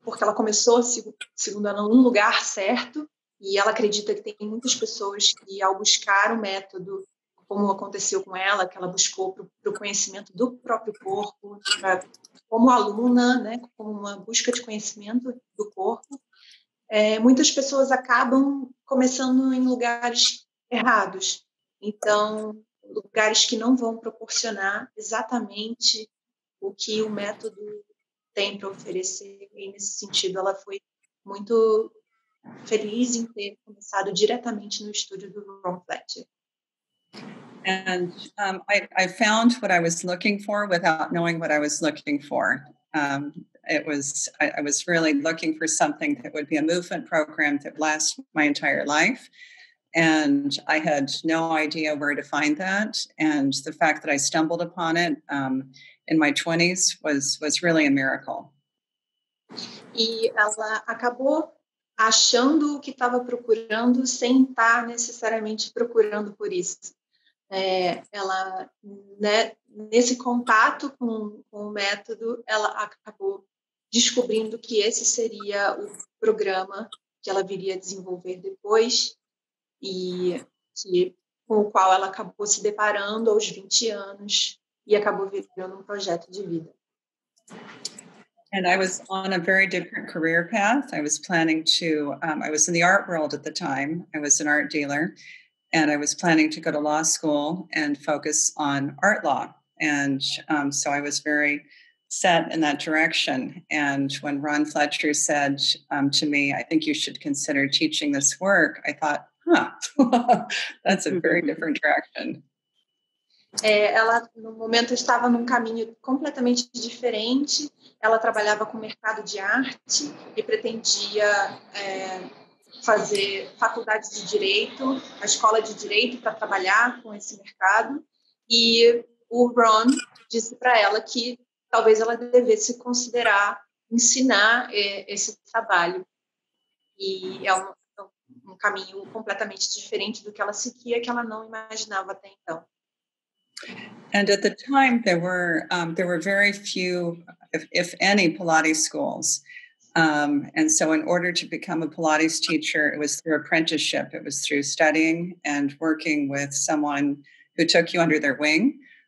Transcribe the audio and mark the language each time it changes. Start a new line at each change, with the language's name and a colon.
Portuguese: Porque ela começou, segundo ela, num lugar certo e ela acredita que tem muitas pessoas que, ao buscar o método, como aconteceu com ela, que ela buscou para o conhecimento do próprio corpo, como aluna, né, como uma busca de conhecimento do corpo, muitas pessoas acabam começando em lugares errados. Então, lugares que não vão proporcionar exatamente o que o método tem para oferecer. E, nesse sentido, ela foi muito feliz em ter começado diretamente no estúdio do Ron Fletcher.
English: And I found what I was looking for without knowing what I was looking for. I was really looking for something that would be a movement program that lasts my entire life. And I had no idea where to find that. And the fact that I stumbled upon it in my 20s was really a miracle.
Portuguese: E ela acabou achando o que estava procurando sem estar necessariamente procurando por isso. Ela, né, nesse contato com o método, ela acabou descobrindo que esse seria o programa que ela viria a desenvolver depois e com o qual ela acabou se deparando aos 20 anos e acabou virando um projeto de vida.
English: And I was on a very different career path. I was planning to, I was in the art world at the time. I was an art dealer. And I was planning to go to law school and focus on art law. And so I was very set in that direction. And when Ron Fletcher said to me, I think you should consider teaching this work, I thought, that's a very different direction.
Portuguese: Ela, no momento, estava num caminho completamente diferente. Ela trabalhava com o mercado de arte e pretendia fazer faculdade de direito, a escola de direito, para trabalhar com esse mercado. E o Ron disse para ela que talvez ela devesse considerar ensinar esse trabalho. E é um caminho completamente diferente do que ela seguia, que ela não imaginava até então.
English: And at the time, there were very few, if any, Pilates schools. And so in order to become a Pilates teacher, it was through apprenticeship. It was through studying and working with someone who took you under their wing.